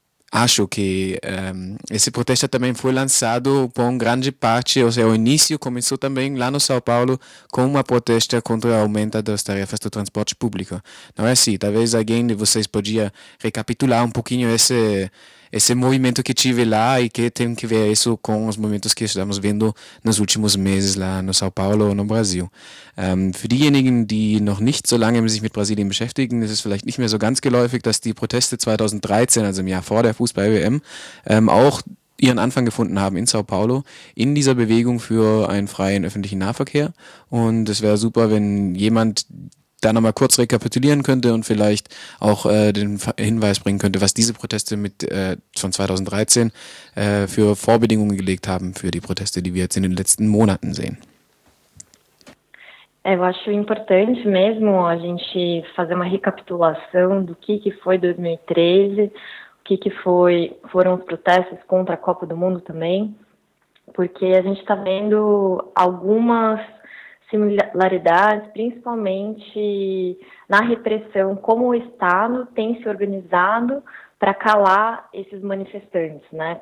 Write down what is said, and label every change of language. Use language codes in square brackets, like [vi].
[pt] Acho que esse protesto também foi lançado por uma grande parte, ou seja, o início começou também lá no São Paulo com uma protesta contra o aumento das tarifas do transporte público. Não é assim? Talvez alguém de vocês podia recapitular um pouquinho esse movimento que tive lá e que tem que ver isso com os movimentos que estamos vendo nos últimos meses lá no São Paulo ou no Brasil. [de] Für diejenigen, die noch nicht so lange sich mit Brasilien beschäftigen, ist es vielleicht nicht mehr so ganz geläufig, dass die Proteste 2013, also im Jahr vor der Fußball-WM, auch ihren Anfang gefunden haben in São Paulo, in dieser Bewegung für einen freien öffentlichen Nahverkehr. Und es wäre super, wenn jemand da nochmal kurz rekapitulieren könnte und vielleicht auch den Hinweis bringen könnte, was diese Proteste mit von 2013 für Vorbedingungen gelegt haben für die Proteste, die wir jetzt in den letzten Monaten sehen. [pt] Eu acho importante mesmo a gente fazer uma recapitulação do que foi 2013, o que foram os protestos contra a Copa do Mundo também, porque a gente está vendo algumas similaridades, principalmente na repressão, como o Estado tem se organizado para calar esses manifestantes, né?